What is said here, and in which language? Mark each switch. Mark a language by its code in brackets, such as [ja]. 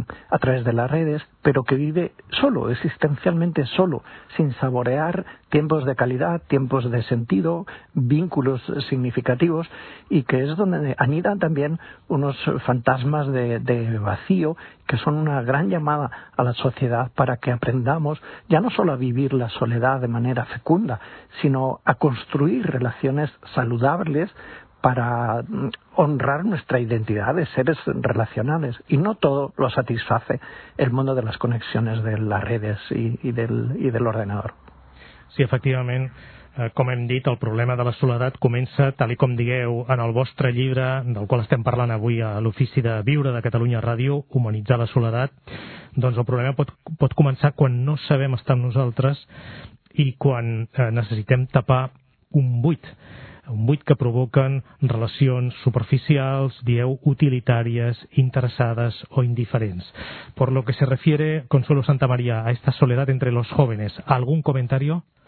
[es] a través de las redes, pero que vive solo, existencialmente solo, sin saborear tiempos de calidad, tiempos de sentido, vínculos significativos, y que es donde anidan también unos fantasmas de vacío, que son una gran llamada a la sociedad para que aprendamos ya no solo a vivir la soledad de manera fecunda, sino a construir relaciones saludables para honrar nuestra identidad de seres relacionales. Y no todo lo satisface el mundo de las conexiones de las redes y del ordenador. [ca] Sí, efectivament, Com hem dit, el problema de la soledat comença, tal i com digueu, en el vostre llibre, del qual estem parlant avui a l'Ofici de Viure de Catalunya Ràdio, Humanitzar la soledat. Doncs el problema pot començar quan no sabem estar amb nosaltres i quan necessitem tapar un buit que provoquen relacions superficials, dieu, utilitàries, interessades o indiferents. [es] Por lo que se refiere, Consuelo Santamaría, a esta soledad entre los jóvenes, ¿algún comentario?